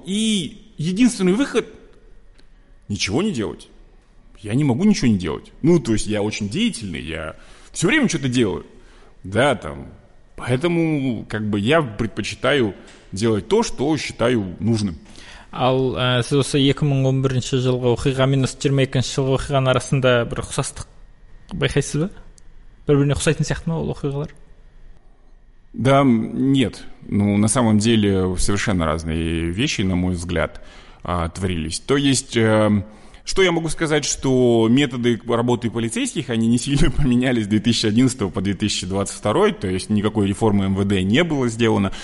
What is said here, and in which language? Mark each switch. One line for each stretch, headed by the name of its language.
Russian: И единственный выход – ничего не делать. Я не могу ничего не делать. Ну, то есть, я очень деятельный, я все время что-то делаю. Да, там. Поэтому, как бы, я предпочитаю делать то, что считаю нужным.
Kazakh: Ал, сіз осы 2011 жылғы оқиға минус 22 жылғы оқиғаның арасында бір ұқсастық байқайсыз ба? Бір-біріне ұқсайтын сияқты ма ол оқиғалар?
Russian: Да, нет. Ну, на самом деле, совершенно разные вещи, на мой взгляд, творились. То есть, что я могу сказать, что методы работы полицейских, они не сильно поменялись с 2011 по 2022, то есть никакой реформы МВД не было сделано.